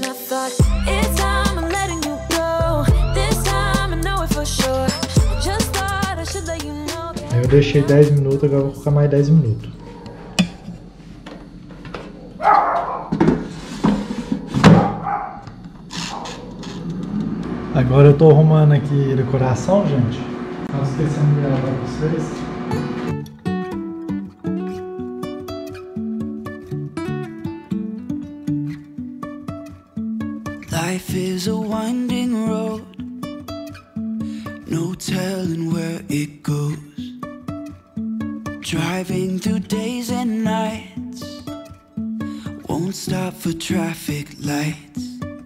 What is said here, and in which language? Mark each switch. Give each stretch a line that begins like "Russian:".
English: It's time I'm letting you go. This time I know it for sure. Just thought I should let you know.
Portuguese: Eu deixei 10 minutos, agora vou colocar mais 10 minutos. Agora eu tô arrumando aqui a decoração, gente. Tava esquecendo de gravar pra vocês.
English: Life is a winding road, no telling where it goes. Driving through days and nights, won't stop for traffic lights.